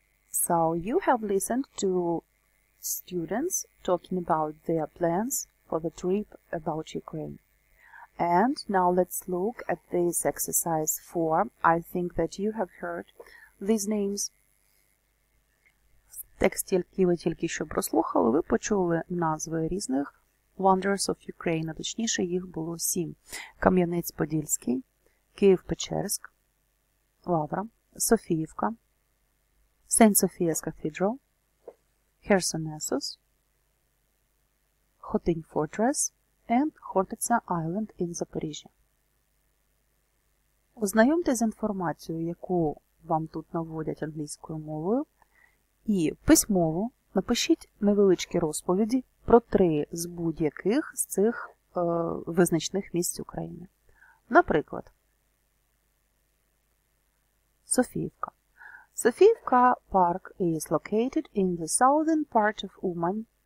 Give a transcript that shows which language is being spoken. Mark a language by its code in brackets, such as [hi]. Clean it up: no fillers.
[en] So, you have listened to students talking about their plans for the trip about Ukraine. And now let's look at this exercise 4. I think that you have heard these names. [uk] Текст, який ви тільки що прослухали, ви почули назви різних [en] Wonders of Ukraine, [uk] а точніше їх було сім. [en] Кам'янець-Подільський, Київ-Печерськ, Лавра, Софіївка, Saint Sophia's Cathedral, Херсонесус, Khotyn Fortress and Khortytsa Island in Zaporizhia. [uk] Ознайомте з інформацією, яку вам тут наводять англійською мовою, і письмово напишіть невеличкі розповіді про три з будь-яких з цих визначних місць України. Наприклад, Софіївка. [en] Софіївка Park is located in the southern part of Uman.